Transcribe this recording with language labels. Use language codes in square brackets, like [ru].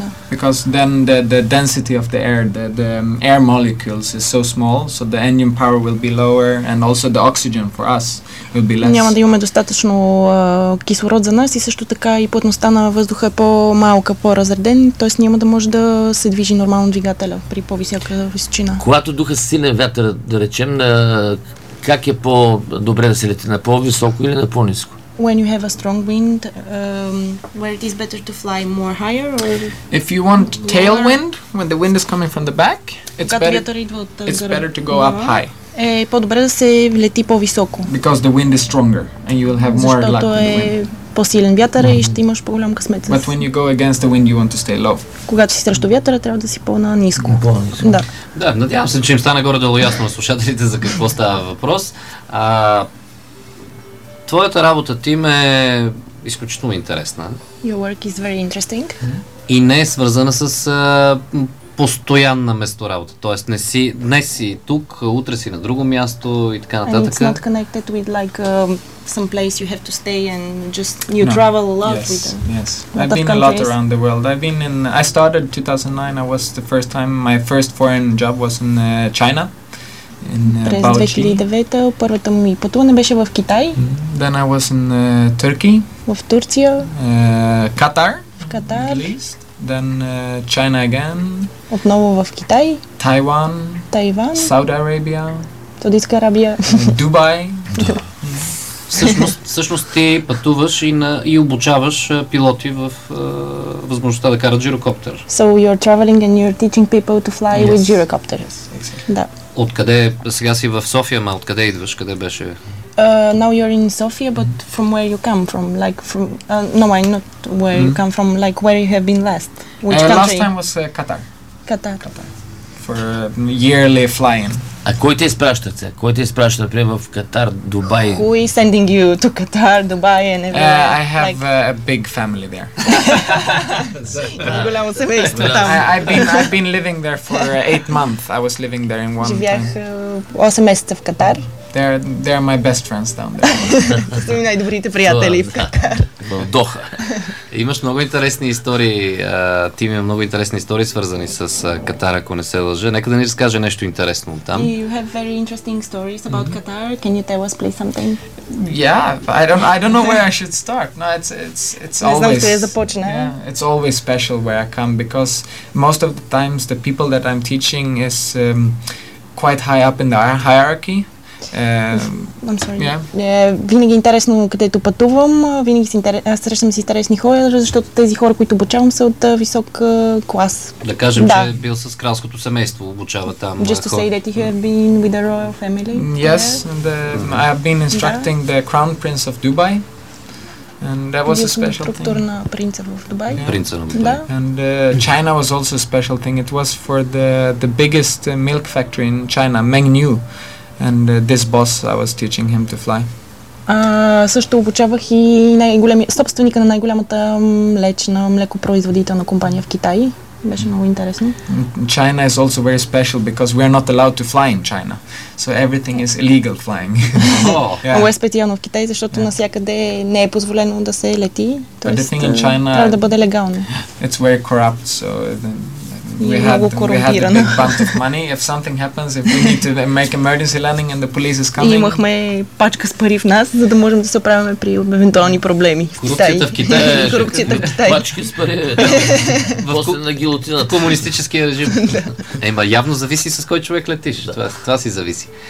[en] Because then the density of the air, the air molecules is so small, so the engine power will be lower and also the oxygen for us will be less. [bg] Няма да имаме достатъчно кислород за нас и също така и плътността на въздуха е по-малка, по-разреден, т.е. няма да може да се движи нормално двигателя при по-висока височина. Когато духа с силен вятър, да речем, как е по-добре да се лети, на по-високо или на по-ниско? [en] When you have a strong wind, where it is better to fly more higher or if you want tailwind, when the wind is coming from the back, it's better to go up high. [bg] Е по-добре да се лети по-високо. [en] Because the wind is stronger and you will have more luck. [bg] Защото е по-силен вятър и ще имаш по-голям късмет. [en] But when you go against the wind, you want to stay low. [bg] Когато си срещу вятъра, трябва да си по-на-ниско. Да. Да, надявам се, че им стана горе-долу ясно на слушателите за какво става въпрос. Твоята работа, Тим, е изключително интересна. [en] Your work is very interesting. [bg] И не е свързана с постоянна месторабота. Тоест, не си, днес си тук, утре си на друго място и така нататък. [en] And it's not connected with like some place you have to stay and just you no. travel a lot. Yes, yes. I've been a lot around the world. I started 2009, I was the first time, my first foreign job was in China. [bg] През 2009-та първата ми пътуване беше в Китай. [en] Then I was in Turkey. [bg] В Турция. Катар. В Катар. [en] Then China again. [bg] Отново в Китай. Тайван. Тайван. Сауди Арабия. Саудитска Арабия. Дубай. Всъщност ти пътуваш и обучаваш пилоти в възможността да карат джирокоптер. [en] So you're traveling and you're teaching people to fly with gyrocopters. [bg] Да. Откъде, сега си в София, ма откъде идваш, къде беше? [en] Now you're in Sofia, but from where you come from, like from, no, I'm not where you come from, like where you have been last, which country? Last time was Qatar. Qatar. For yearly flying. [bg] А кой те изпраща? Кой те изпраща, например, в Катар, Дубай? [en] Who is sending you to Qatar, Dubai and everywhere? I have a big family there. [bg] Голямо семейство там. [en] I've been living there for 8 months. I was living there in one time. [bg] Живях 8 месеца в Катар. [en] They're my best friends down there. [bg] Са ми най-добрите приятели в Катар. В Доха. Имаш много интересни истории. Ти има много интересни истории, свързани с Катар, ако не се лъжа. Нека да ни разкаже нещо интересно там. [en] You have very interesting stories about Qatar. Can you tell us, please, something? Yeah, I don't know where I should start. No, it's always. [bg] Не знам къде започна. [en] Yeah, it's always special where I come because most of the times the people that I'm teaching is quite high up in the hierarchy. [bg] Винаги е интересно където пътувам, винаги аз срещам с интересни хора, защото тези хора, които обучавам, са от висок клас. Да кажем, да. Че е бил с кралското семейство, обучава там. [en] Just to say that you have been with the royal family. Yes, and I have been instructing the crown prince of Dubai. And that was a special thing. [bg] Принца в Дубай. Принца на Дубай. [en] And China was also a special thing. It was for the biggest milk factory in China, Mengniu. And this boss, I was teaching him to fly. [bg] Също обучавах и собственика на най-голямата млечна млекопроизводителна компания в Китай. Беше много интересно. [en] China is also very special because we are not allowed to fly in China. So everything is illegal flying. [bg] Много е специално в Китай, защото навсякъде не е позволено да се лети. [en] But the thing in China, [bg] трябва да бъде легално. [en] It's very corrupt, so we had a big bunch of money. If something happens, if we need to make emergency landing and the police is coming. [bg] И имахме пачка с пари в нас, за да можем да се оправяме при евентуални проблеми. Корупцията в Китай. Корупцията в Китай. Пачки с пари. После на гилотината. Комунистическия режим. Ема явно зависи с кой човек летиш. Това си зависи.